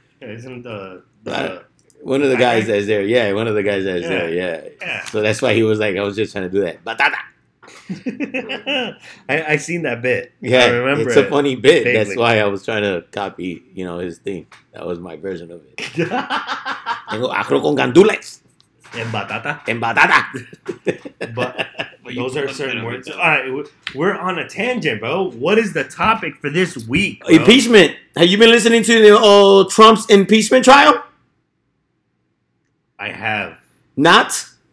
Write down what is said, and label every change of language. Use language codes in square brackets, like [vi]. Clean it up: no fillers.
[en] Yeah, isn't the one of the guys that's there. Yeah, one of the guys that's there. Yeah. So that's why he was like, I was just trying to do that. [es] Batata. [en] I seen that bit. Yeah. I remember it's a funny bit. Vaguely. That's why I was trying to copy, you know, his thing. That was my version of it. [es] Tengo arroz con candules. En batata. En batata. [en] But those are certain words. All right, we're on a tangent, bro. What is the topic for this week, bro? Impeachment. Have you been listening to the Trump's impeachment trial? I have. Not?